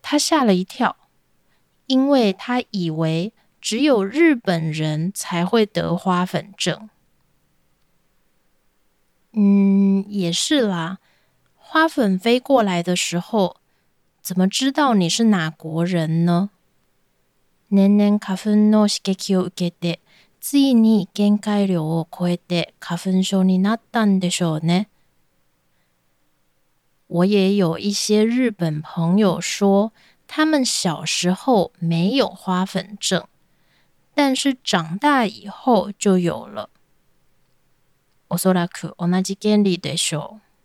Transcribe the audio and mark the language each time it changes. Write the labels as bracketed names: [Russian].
[Chinese] 他吓了一跳，因为他以为只有日本人才会得花粉症。也是啦，花粉飞过来的时候，怎么知道你是哪国人呢？ [Japanese] 年々花粉の刺激を受けて、ついに限界量を超えて花粉症になったんでしょうね。 [Chinese] 我也有一些日本朋友说，他们小时候没有花粉症，但是长大以后就有了。 [Japanese] おそらく同じ原理でしょう。